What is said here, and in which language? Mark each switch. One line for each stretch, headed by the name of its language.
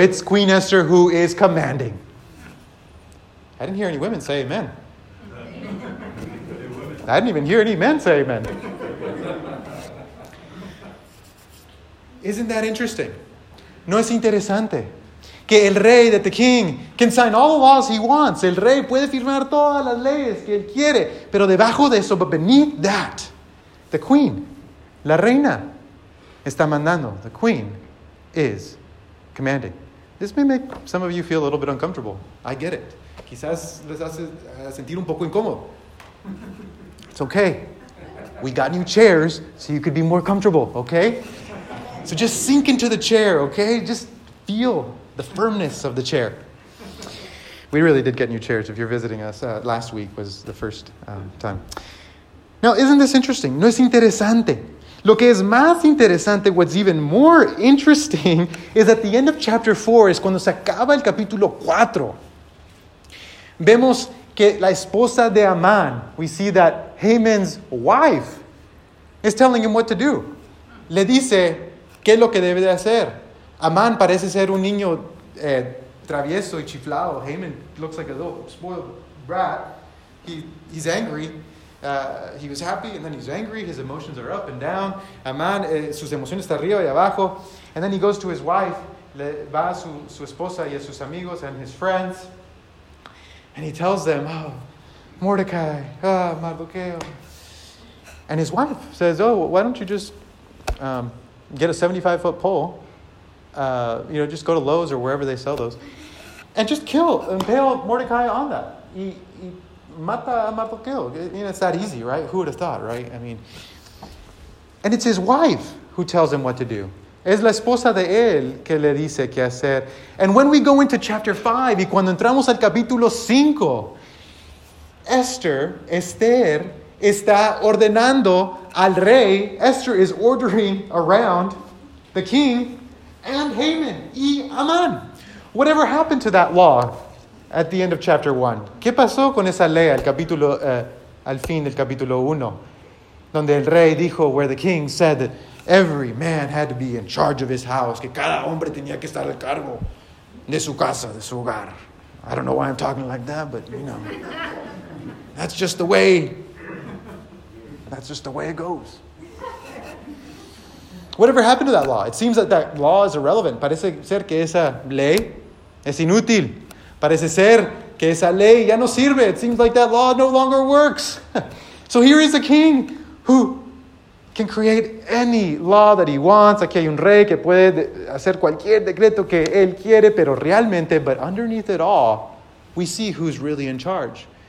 English: It's Queen Esther who is commanding. I didn't hear any women say amen. I didn't even hear any men say amen. Isn't that interesting?
Spanish: No es interesante. Que el rey,
English: that the king, can sign all the laws he wants.
Spanish: El rey puede firmar todas las leyes que él quiere. Pero debajo de eso,
English: but beneath that, the queen,
Spanish: la reina, está mandando.
English: The queen is commanding. This may make some of you feel a little bit uncomfortable. I get it.
Spanish: Quizás les hace sentir un poco incómodo.
English: It's okay. We got new chairs so you could be more comfortable, okay? So just sink into the chair, okay? Just feel the firmness of the chair. We really did get new chairs. If you're visiting us, last week was the first time. Now, isn't this interesting?
Spanish: No es interesante. Lo que es más interesante,
English: what's even more interesting, is at the end of chapter 4,
Spanish: es cuando se acaba el capítulo 4. Vemos que la esposa de Amán,
English: we see that Haman's wife, is telling him what to do.
Spanish: Le dice qué es lo que debe de hacer. Amán parece ser un niño travieso y chiflado.
English: Haman looks like a little spoiled brat. He's angry. He was happy and then he's angry. His emotions are up and down.
Spanish: Amán, sus emociones están arriba y abajo.
English: And then he goes to his wife.
Spanish: Va a su esposa y a sus amigos
English: and his friends. And he tells them, oh, Mordecai, oh, Mardoqueo. And his wife says, oh, why don't you just get a 75-foot pole. Just go to Lowe's or wherever they sell those. And just kill, impale Mordecai on that.
Spanish: Y mata a Mardoqueo.
English: It's that easy, right? Who would have thought, right? I mean, and it's his wife who tells him what to do.
Spanish: Es la esposa de él que le dice qué hacer.
English: And when we go into chapter 5,
Spanish: y cuando entramos al capítulo 5, Esther está ordenando al rey.
English: Esther is ordering around the king and Haman,
Spanish: y Amán.
English: Whatever happened to that law at the end of chapter 1?
Spanish: ¿Qué pasó con esa ley al fin del capítulo 1? Donde el rey dijo,
English: where the king said that every man had to be in charge of his house,
Spanish: que cada hombre tenía que estar al cargo de su casa, de su hogar.
English: I don't know why I'm talking like that, but, you know, that's just the way That's just the way it goes. Whatever happened to that law? It seems that that law is irrelevant.
Spanish: Parece ser que esa ley es inútil. Parece ser que esa ley ya no sirve.
English: It seems like that law no longer works. So here is a king who can create any law that he wants.
Spanish: Aquí hay un rey que puede hacer cualquier decreto que él quiere, pero realmente,
English: but underneath it all, we see who's really in charge.